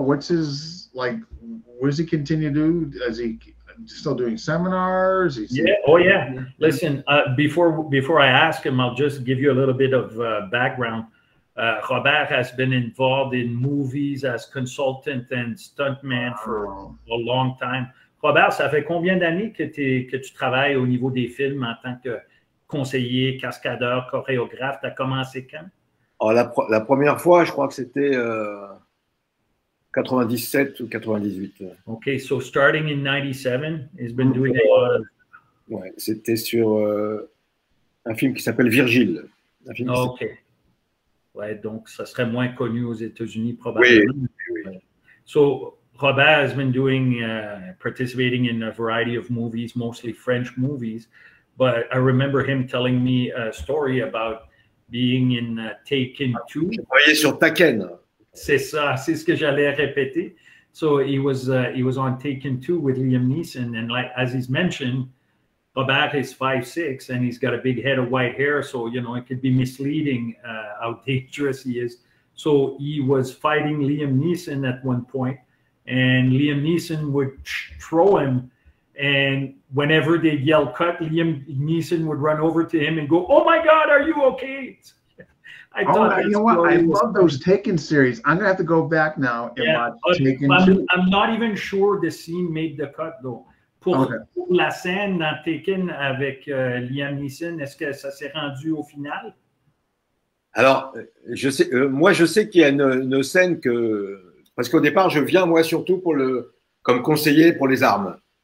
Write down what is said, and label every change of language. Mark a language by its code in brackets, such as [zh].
[en] What's his, like, what does he continue to do? Is he still doing seminars? Listen, before I ask him, I'll just give you a little bit of background. Robert has been involved in movies as consultant and stuntman for a long time. [fr] Robert, ça fait combien d'années que tu travailles au niveau des films en tant que conseiller, cascadeur, chorégraphe? Tu as commencé quand? Alors, la première fois, je crois que c'était 97 ou 98. [en] OK, so starting in 97, he's been doing a lot of... [fr] Ouais, c'était sur un film qui s'appelle Virgile. [en] OK. [fr] Ouais, donc ça serait moins connu aux États-Unis probablement. Oui. [en] So, Robert has been doing, participating in a variety of movies, mostly French movies. But I remember him telling me a story about being in Taken 2. [fr] Je voyais sur Taken. C'est ça, c'est ce que j'allais répéter. [en] So he was on Taken 2 with Liam Neeson. And like, as he's mentioned, Robert is 5'6", and he's got a big head of white hair. So, you know, it could be misleading how dangerous he is. So he was fighting Liam Neeson at one point. And Liam Neeson would throw him, and whenever they'd yell cut, Liam Neeson would run over to him and go, "Oh my God, are you okay?" I love those Taken series. I'm gonna have to go back now and watch Taken 2. I'm not even sure the scene made the cut though. [fr] Pour la scène dans Taken avec Liam Neeson, est-ce que ça s'est rendu au final? Alors, je sais. Moi, je sais qu'il y a une scène que. Parce qu'au départ, je viens, moi, surtout comme conseiller pour les armes.